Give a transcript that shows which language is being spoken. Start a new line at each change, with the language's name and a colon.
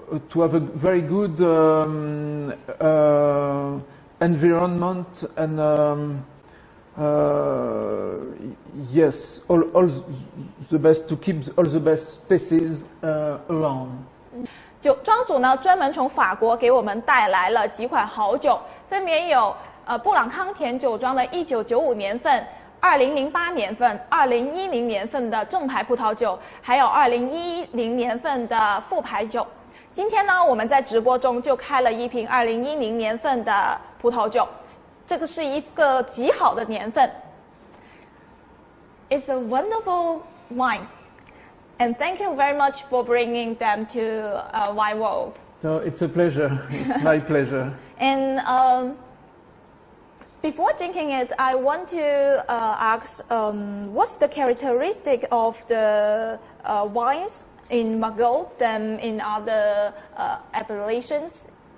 English: To have a very good environment, and yes, all the best to keep all the best species around.
Chinese: 庄主呢，专门从法国给我们带来了几款好酒，分别有布朗康田酒庄的1995年份。 2008年份、2010年份的正牌葡萄酒，还有2010年份的副牌酒。今天呢，我们在直播中就开了一瓶2010年份的葡萄酒，这个是一个极好的年份。
English: It's a wonderful wine, and thank you very much for bringing them to a wine world. So it's a pleasure. It's my pleasure. And before drinking it, I want to ask, what's the characteristic of the wines in Margaux than in other appellations?